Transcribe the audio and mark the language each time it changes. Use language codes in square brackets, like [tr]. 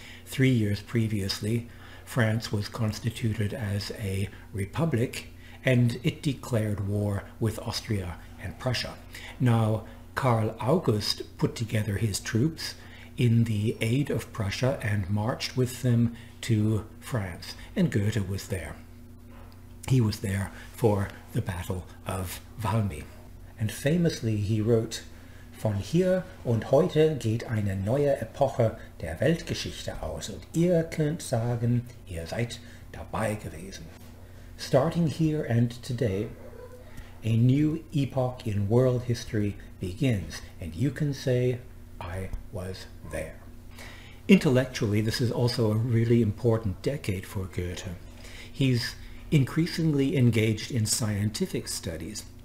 [en] 3 years previously, France was constituted as a republic, and it declared war with Austria and Prussia. Now, Karl August put together his troops in the aid of Prussia and marched with them to France, and Goethe was there. He was there for the Battle of Valmy. And famously, he wrote, [de] "Von hier und heute geht eine neue Epoche der Weltgeschichte aus, und ihr könnt sagen, ihr seid dabei gewesen." [en] Starting here and today, a new epoch in world history begins, and you can say, I was there. Intellectually, this is also a really important decade for Goethe. He's increasingly engaged in scientific studies.